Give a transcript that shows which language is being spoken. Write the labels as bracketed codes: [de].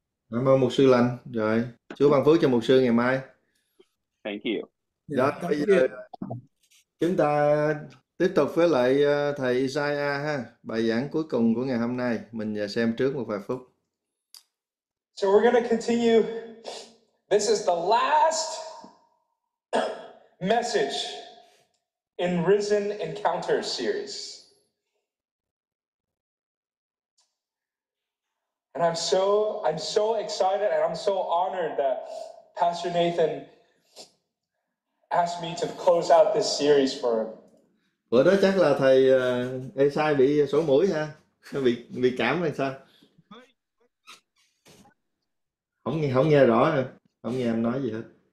[vi] Cảm ơn mục sư lành. Rồi, Chúa ban phước cho mục sư ngày mai. [en] Thank you. [vi] Đó, bây giờ chúng ta tiếp tục với lại thầy Isaiah ha, bài giảng cuối cùng của ngày hôm nay. Mình xem trước một vài phút. [en] So we're going to continue. This is the last message in Risen Encounter series. And I'm so excited and I'm so honored that Pastor Nathan asked me to close out this series for him. [vi] Bữa đó chắc là thầy Esai bị sổ mũi ha, bị cảm hay sao? Không nghe rõ rồi. Không nghe anh nói gì hết.